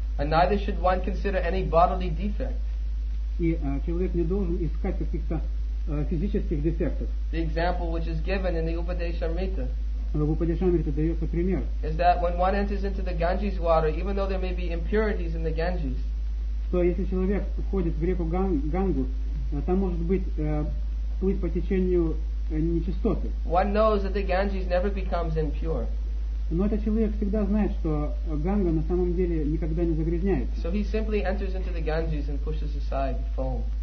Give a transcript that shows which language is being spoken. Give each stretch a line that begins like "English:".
English: And neither should one consider any bodily defect.
Russian: И человек не должен искать каких-то физических дефектов.
English: The example which is given in the Upadeshamrita.
Russian: В Упадешамрите дается пример.
English: Is that when one enters into the Ganges water, even though there may be impurities in the Ganges.
Russian: Что если человек входит в реку Гангу, там может быть плыть по течению нечистоты.
English: One knows that the Ganges never becomes impure.
Russian: Но этот человек всегда знает, что Ганга на самом деле никогда не загрязняется.
English: So he simply enters into the Ganges and pushes aside the foam.